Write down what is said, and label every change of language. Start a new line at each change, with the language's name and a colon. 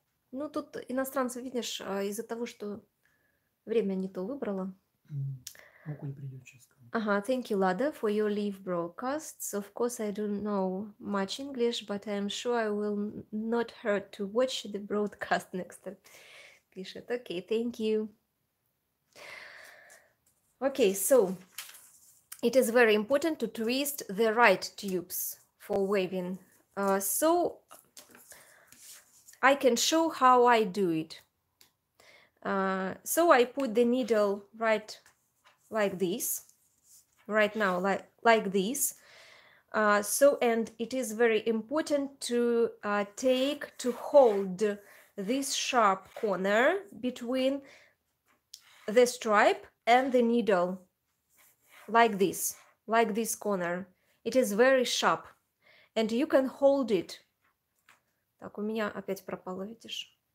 Russian: Ну, тут иностранцы, видишь, из-за того, что время не то выбрала. Могу не придёт, честно.
English: Ага, thank you, Lada, for your live broadcasts. Of course, I don't know much English, but I'm sure I will not hurt to watch the broadcast next time.
Russian: Пишет,
English: okay, thank you. Okay, so, it is very important to twist the right tubes for weaving. So, I can show how I do it. So, I put the needle right like this. Right now, like this. So, and it is very important to take, to hold this sharp corner between the stripe and the needle, like this corner. It is very sharp, and you can hold it.
Russian: Так, у меня опять пропало, видишь?